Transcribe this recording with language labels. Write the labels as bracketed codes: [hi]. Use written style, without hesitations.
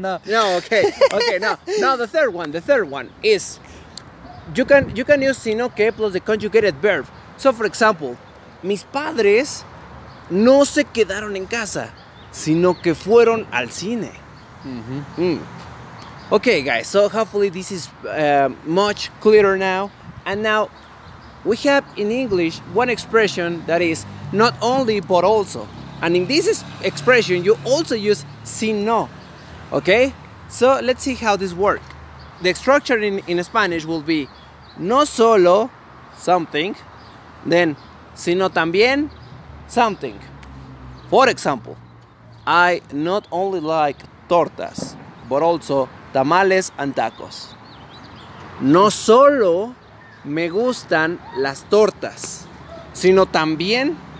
[en] No. Okay. Now the third one is you can use sino que plus the conjugated verb. So for example, [es] mis padres no se quedaron en casa, sino que fueron al cine. Mm-hmm. Mm. [en] Okay, guys, so hopefully this is much clearer now. And now we have in English one expression that is not only but also. And in this expression, you also use sino. Okay, so let's see how this works. The structure in Spanish will be no solo something, then sino también something. For example, I not only like tortas, but also tamales and tacos. [es] No solo me gustan las tortas, sino también